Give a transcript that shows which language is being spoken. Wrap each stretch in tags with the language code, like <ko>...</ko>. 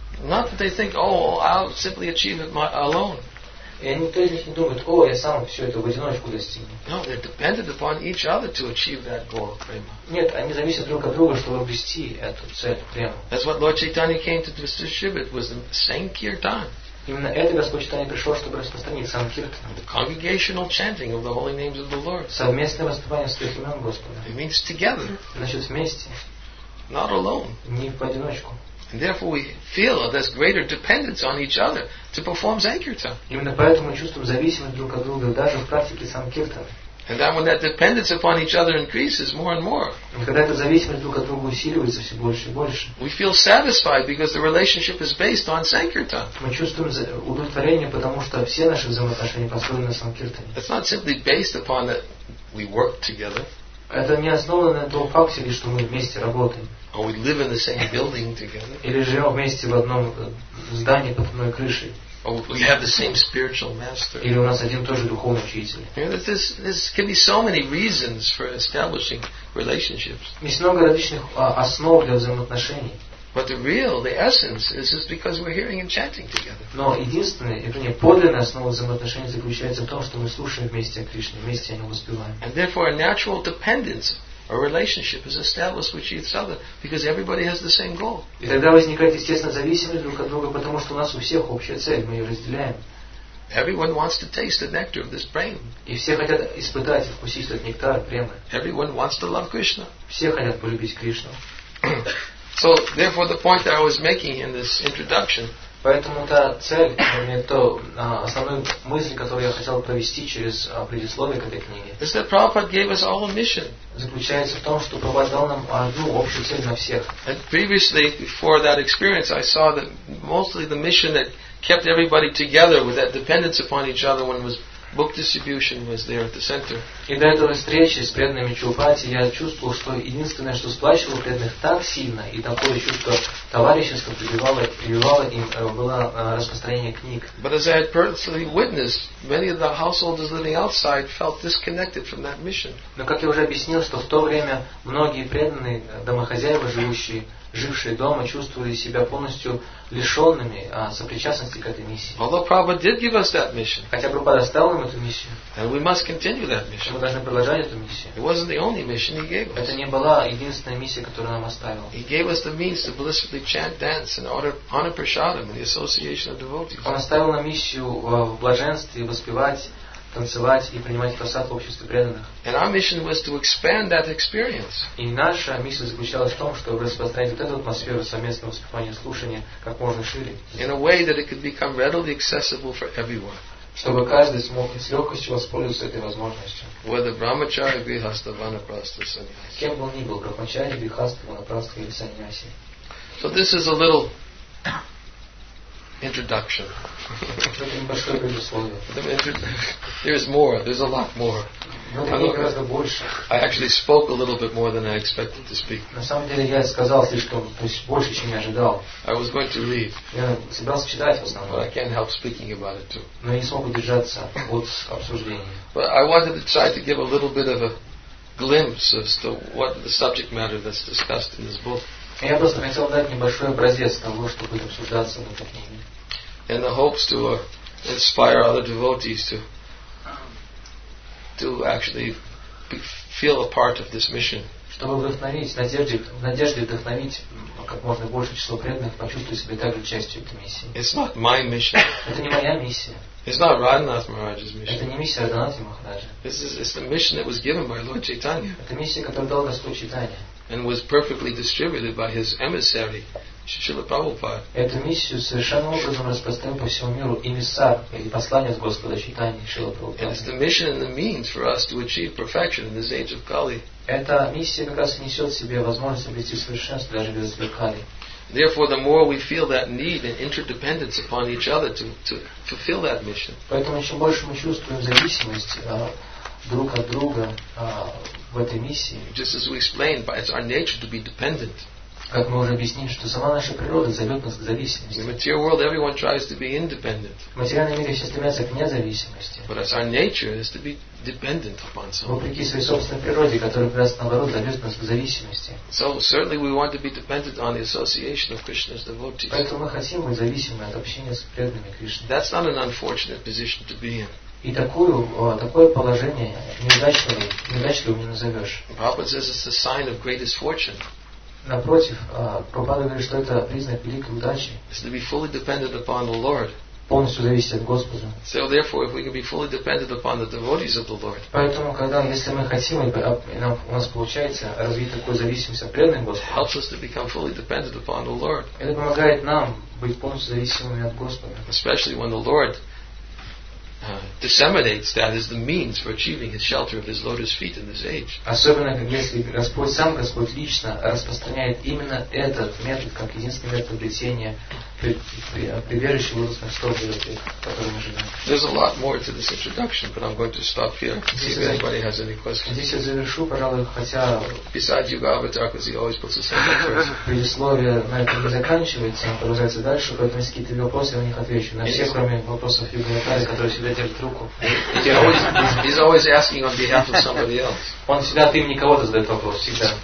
<en>Not that they think, oh, I'll simply achieve it alone.</en> <ru>И никто из них не думает, о, я сам все это в одиночку достигну.</ru> <en>No, they're dependent upon each other to achieve that goal, prema.</en> <ru>Нет, они зависят друг от друга, чтобы обрести эту цель, прямо.</ru> <en>That's what Lord Chaitanya came to distribute was the Sankirtan.</en> <ru>Именно это Господь Чайтанья пришел, чтобы распространить Санкиртан.</ru> <en>The congregational chanting of the holy names of the Lord.</en> <ru>Совместное воспевание святых имен Господа.</ru> <en>It means together.</en> <ru>Значит, вместе.</ru> <en>Not alone.</en> <ru>Не в одиночку.</ru> <en>And therefore, we feel this greater dependence on each other to perform sankirtan.</en> <ru>Именно поэтому мы чувствуем зависимость друг от друга даже в практике санкиртана.</ru> <en>And then, when that dependence upon each other increases more and more,</en> <ru>когда эта зависимость друг от друга усиливается все больше и больше,</ru> <en>we feel satisfied because the relationship is based on sankirtan.</en> <ru>Мы чувствуем удовлетворение, потому что все наши взаимоотношения построены на санкиртане.</ru> <en>It's not simply based upon that we work together.</en> <ru>Это не основано на том факте, что мы вместе работаем.</ru> <en>Or we live in the same building together.</en> <ru>Или живем вместе в одном здании под одной крышей.</ru> <en>Or we have the same spiritual master.</en> <ru>Или у нас один тоже духовный учитель.</ru> <en>You know, this can be so many reasons for establishing relationships.</en> <ru>Есть много различных основ для взаимоотношений.</ru> <en>But the essence is just because we're hearing and chanting together.</en> <ru>Но единственное, это не подлинная основа взаимоотношений заключается в том, что мы слушаем вместе о Кришне, вместе о нем воспеваем.</ru> <en>And therefore, a natural dependence. A relationship is established with each other because everybody has the same goal.</en> <ru>И тогда возникает естественная зависимость друг от друга, потому что у нас у всех общая цель, мы ее разделяем.</ru> <en>Everyone wants to taste the nectar of this prema.</en> <ru>И все хотят испытать и вкусить этот нектар премы.</ru> <en>Everyone wants to love Krishna.</en> <ru>Все хотят полюбить Кришну.</ru> <en>So, therefore, the point that I was making in this introduction.</en> <ru>Поэтому та цель, вернее, то основную мысль, которую я хотел провести через предисловие к этой книге,</ru> <en>is that Prabhupada gave us all a mission.</en> <ru>Заключается в том, что Прабхупада дал нам одну общую цель на всех.</ru> <en>And previously, before that experience, I saw that mostly the mission that kept everybody together with that dependence upon each other when was Book distribution was there at the center.</en> <ru>И до этого встречи с преданными Чхупати я чувствовал, что единственное, что сплачивало преданных так сильно, и такое чувство товарищества прививало им, было распространение книг.</ru> <en>But as I had personally witnessed, many of the householders living outside felt disconnected from that mission.</en> <ru>Но как я уже объяснил, что в то время многие преданные домохозяева, жившие дома, чувствовали себя полностью лишенными сопричастности к этой миссии.</ru> <en>Although Prabhupada did give us that mission.</en> <ru>Хотя Прабхупада оставил нам эту миссию.</ru> <en>And we must continue that mission.</en> <ru>Мы должны продолжать эту миссию.</ru> <en>It wasn't the only mission he gave us.</en> <ru>Это не была единственная миссия, которую нам оставил.</ru> <en>He gave us the means to blissfully chant, dance, and honor prasadam in the association of devotees.</en> <ru>Он оставил нам миссию в блаженстве воспевать, танцевать и принимать просад в обществе преданных.</ru> <en>And our mission was to expand that experience.</en> <ru>И наша миссия заключалась в том, чтобы распространить вот эту атмосферу совместного воспевания и слушания как можно шире.</ru> <en>In a way that it could become readily accessible for everyone.</en> <ru>Чтобы каждый смог с легкостью воспользоваться этой возможностью.</ru> <en>Whether brahmachari, grihastha, vanaprastha, sannyasi.</en> <ru>Кем бы он ни был, брахмачари, грихастха, ванапрастха или саньяси.</ru> <en>So this is a little introduction. There is more. There's a lot more. I actually spoke a little bit more than I expected to speak.</en> <ru>На самом деле я сказал слишком, то есть больше, чем я ожидал.</ru> <en>I was going to read.</en> <ru>Я собирался читать в основном.</ru> <en>But I can't help speaking about it too.</en> <ru>Но не смог удержаться от обсуждения.</ru> <en>But I wanted to try to give a little bit of a glimpse as to what the subject matter that's discussed in this book.</en> <ru>Я просто хотел дать небольшой образец того, что будет обсуждаться в этой книге.</ru> <en>In the hopes to inspire other devotees to actually feel a part of this mission.</en> <ru>Чтобы вдохновить, в надежде вдохновить как можно большее число преданных почувствовать себя также частью этой миссии.</ru> <en>It's not my mission.</en> <ru>Это не моя миссия.</ru> <en>It's not Radhanath Maharaj's mission.</en> <ru>Это не миссия Радханатха Махараджа.</ru> <en>It's the mission that was given by Lord Chaitanya.</en> <ru>Это миссия, которую дал Господь Чайтанья.</ru> <en>And was perfectly distributed by his emissary, Srila Prabhupada.</en> <ru>Эту миссию совершенно образом распространил по всему миру эмиссар или посланец Господа Чайтаньи Шрила Прабхупады.</ru> <en>And it's the mission and the means for us to achieve perfection in this age of Kali.</en> <ru>Эта миссия как раз несет в себе возможность обрести совершенство даже без Кали.</ru> <en>Therefore, the more we feel that need and interdependence upon each other to fulfill that mission.</en> <ru>Поэтому чем больше мы чувствуем зависимость друг от друга в этой миссии.</ru> <en>Just as we explained, it's our nature to be dependent.</en> <ru>Как мы уже объяснили, что сама наша природа зовет нас к зависимости.</ru> <en>In the material world, everyone tries to be independent.</en> <ru>В материальном мире все стремятся к независимости.</ru> <en>But it's our nature is to be dependent upon someone.</en> <ru>Вопреки своей собственной природе, которая, как раз наоборот, зовет нас к зависимости.</ru> <en>So certainly we want to be dependent on the association of Krishna's devotees.</en> <ru>Поэтому мы хотим быть зависимы от общения с преданными Кришны.</ru> <en>That's not an unfortunate position to be in.</en> <ru>И такое положение неудачливым не назовешь.</ru> <en>Prabhupada says it's a sign of greatest fortune.</en> <ru>Напротив, Прабхупада говорит, что это признак великой удачи.</ru> <en>It's to be fully dependent upon the Lord.</en> <ru>Полностью зависеть от Господа.</ru> <en>So therefore, if we can be fully dependent upon the devotees of the Lord.</en> <ru>Поэтому, когда, если мы хотим, у нас получается развить такую зависимость от преданных Господа.</ru> <en>It helps us to become fully dependent upon the Lord.</en> <ru>Это помогает нам быть полностью зависимыми от Господа.</ru> <en>Especially when the Lord disseminates that as the means for achieving his shelter of his lotus feet in this age.</en> <ru>Особенно если Господь сам, Господь лично распространяет именно этот метод как единственный метод обретения прибежища лотосных стоп, который мы ожидаем.</ru> <en>There's a lot more to this introduction, but I'm going to stop here. See if anybody has any questions.</en> <ru>Здесь я завершу, пожалуй, хотя.</ru> <en>Besides Yuga Avatar, because he always puts the same first.</en> <ru>Предисловие на этом не заканчивается, он продолжается дальше, поэтому есть какие-то вопросы, я на них отвечу. На все, кроме вопросов Юга Аватар, которые всегда держат руку.</ru> <en>He's always asking on behalf of somebody else.</en> <ru>Он всегда от имени кого-то задает вопрос, всегда.</ru>